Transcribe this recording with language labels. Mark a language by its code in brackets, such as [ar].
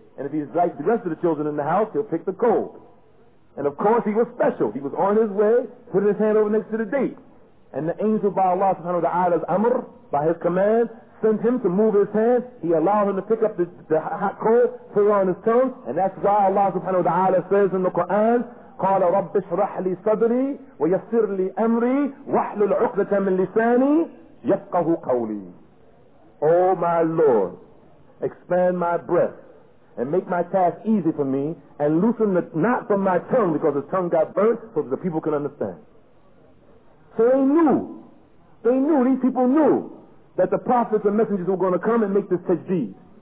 [en] And if he's like the rest of the children in the house, he'll pick the coal. And of course he was special. He was on his way, putting his hand over next to the date. And the angel by Allah subhanahu wa ta'ala's amr, by his command, sent him to move his hand. He allowed him to pick up the hot coal, put it on his tongue. And that's why Allah subhanahu wa ta'ala says in the Quran, [ar] قَالَ رَبِّ اشْرَحْ لِي صَدْرِي وَيَسِّرْ لِي أَمْرِي وَحْلُ الْعُقْدَةَ مِنْ لِسَانِي يَفْقَهُ قَوْلِي. [en] Oh my Lord, expand my breath and make my task easy for me and loosen the knot from my tongue, because the tongue got burnt, so that the people can understand. So they knew, these people knew that the prophets and messengers were going to come and make this tajdeed.